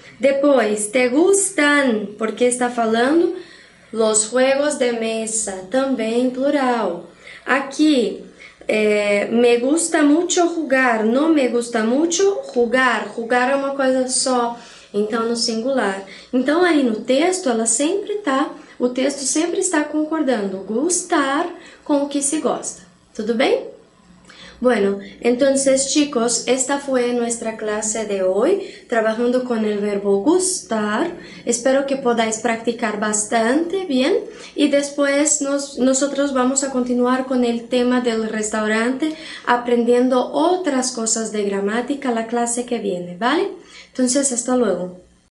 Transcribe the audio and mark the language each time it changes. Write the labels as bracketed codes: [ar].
[pt] Depois, [es] te gustan, [pt] porque está falando [es] los juegos de mesa, [pt] também plural. [es] Aqui, me gusta mucho jugar. No me gusta mucho jugar. [pt] Jugar é uma coisa só, então no singular. Então, aí no texto, ela sempre está. O texto sempre está concordando, gustar com o que se gosta. Tudo bem? [es] Bueno, entonces, chicos, esta fue nuestra clase de hoy, trabajando con el verbo gustar. Espero que podáis practicar bastante bien. Y después nosotros vamos a continuar con el tema del restaurante, aprendiendo otras cosas de gramática la clase que viene, ¿vale? Entonces, hasta luego.